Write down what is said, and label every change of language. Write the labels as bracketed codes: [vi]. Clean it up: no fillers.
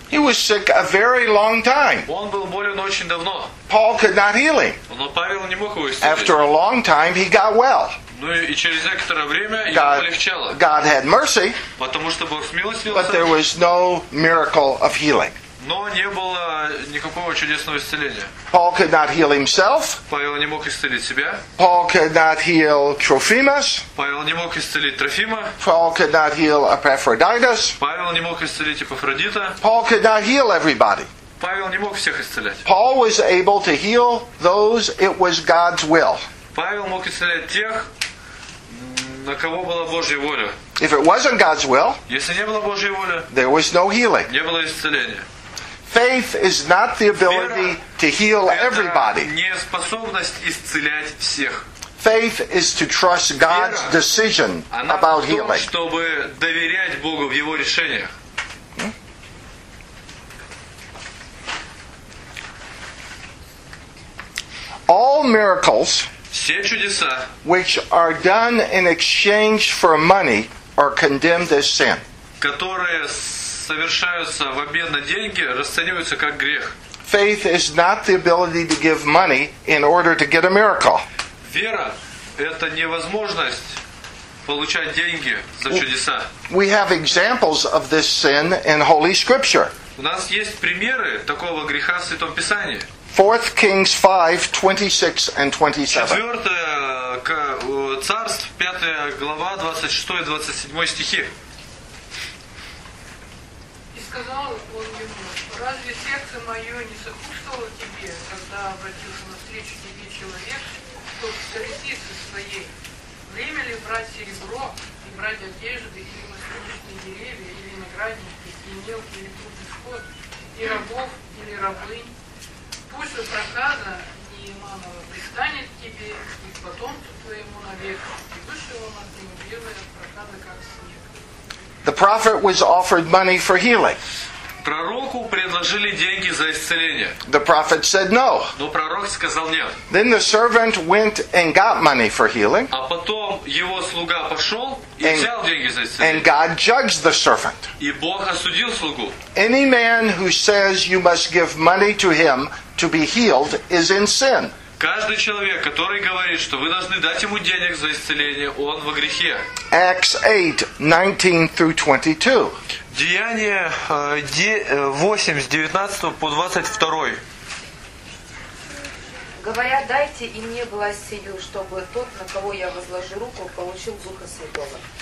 [en] He was sick a very long time. [ru] Он был болен очень давно. [en] Paul could not heal him. [ru] Но Павел не мог его исцелить. [en] After a long time, he got well. [ru] Ну и через некоторое время [en] God, [ru] ему полегчало. [en] God had mercy. [ru] Потому что Бог смилостивился. [en] But there was no miracle of healing. [ru] Но не было никакого чудесного исцеления. [en] Paul could not heal himself. [ru] Павел не мог исцелить себя. [en] Paul could not heal Trophimus. [ru] Павел не мог исцелить Трофима. [en] Paul could not heal Epaphroditus. [ru] Павел не мог исцелить Эпафродита. [en] Paul could not heal everybody. [ru] Павел не мог всех исцелять. [en] Paul was able to heal those it was God's will. [ru] Павел мог исцелять тех, на кого была Божья воля. [en] If it wasn't God's will, [ru] если не было Божьей воли, [en] there was no healing. [ru] Не было исцеления. [en] Faith is not the ability to heal everybody. [ru] Не способность исцелять всех. [en] Faith is to trust God's decision about healing. [ru] Чтобы доверять Богу в его решениях. [en] All miracles, [ru] все чудеса, [en] which are done in exchange for money, are condemned as sin. [ru] Которые совершаются в обмен на деньги, расцениваются как грех. [en] Faith is not the ability to give money in order to get a miracle. [ru] Вера – это невозможность получать деньги за чудеса. [en] We have examples of this sin in Holy Scripture. [ru] У нас есть примеры такого греха в Святом Писании. [en] 4 Kings 5:26-27. [ru] 4 Царств 5:26-27. Сказал он ему, разве сердце мое не сопутствовало тебе, когда обратился навстречу тебе человек, кто в корзице своей? Время ли брать серебро и брать одежды, или мастерские деревья, или виноградники, и мелкий или крупный скот, и рабов, или рабынь? Пусть же проказа Неиманова пристанет тебе и к потомству твоему навек, и вышел он от него белый от проказа, как снег. [en] The prophet was offered money for healing. [ru] Пророку предложили деньги за исцеление. [en] The prophet said no. [ru] Но пророк сказал нет. [en] Then the servant went and got money for healing. [ru] А потом его слуга пошел и взял деньги за исцеление. [en] And God judged the servant. [ru] И Бог осудил слугу. [en] Any man who says you must give money to him to be healed is in sin. [ru] Каждый человек, который говорит, что вы должны дать ему денег за исцеление, он во грехе. [en] Acts 8:19-22. [ru] Деяния 8:19-22. Говоря, дайте и мне власть сию, чтобы тот, на кого я возложу руку, получил Духа Святого.